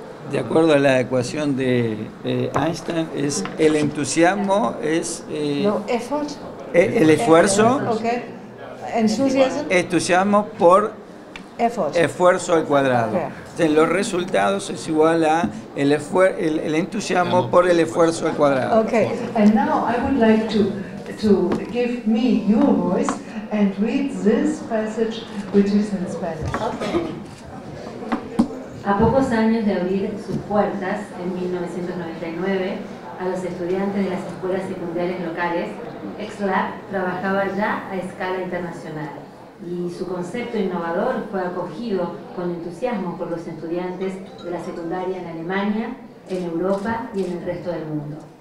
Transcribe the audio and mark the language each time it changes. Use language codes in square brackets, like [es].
[es] De acuerdo a la ecuación de Einstein, es el entusiasmo es [en] effort. [es] El esfuerzo, [en] okay. [es] Entusiasmo por [en] effort. [es] Esfuerzo al cuadrado. Okay. Entonces, los resultados es igual a el entusiasmo por el esfuerzo al cuadrado. [en] Okay. And now I would like to give me your voice and read this passage which is in Spanish. Okay. [es] A pocos años de abrir sus puertas en 1999 a los estudiantes de las escuelas secundarias locales, XLab trabajaba ya a escala internacional y su concepto innovador fue acogido con entusiasmo por los estudiantes de la secundaria en Alemania, en Europa y en el resto del mundo.